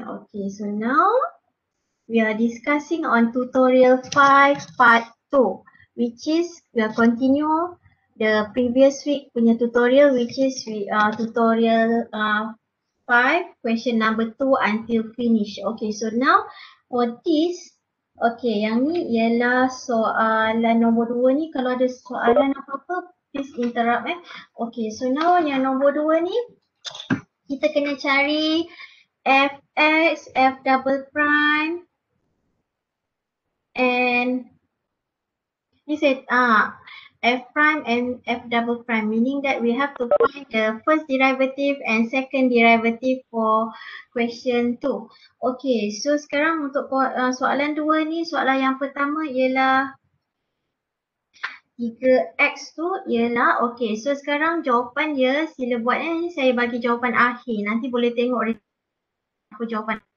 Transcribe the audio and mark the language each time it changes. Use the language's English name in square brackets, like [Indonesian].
[English] Okay, so now we are discussing on tutorial 5 part 2, which is we are continue the previous week punya tutorial, which is we tutorial 5, question number 2 until finish. Okay, so now for this, okay, [Malay] yang ni ialah soalan nombor 2 ni. Kalau ada soalan apa-apa, [English] please interrupt [Malay] eh. [English] Okay, so now [Malay] yang nombor 2 ni, kita kena cari [English] fx, f double prime and ni set f prime and f double prime, meaning that we have to find the first derivative and second derivative for question 2. [Malay] Okay, so sekarang untuk soalan 2 ni, soalan yang pertama ialah 3x tu ialah, okay, so sekarang jawapan dia, sila buat ni, saya bagi jawapan akhir, nanti boleh tengok apa jawapan.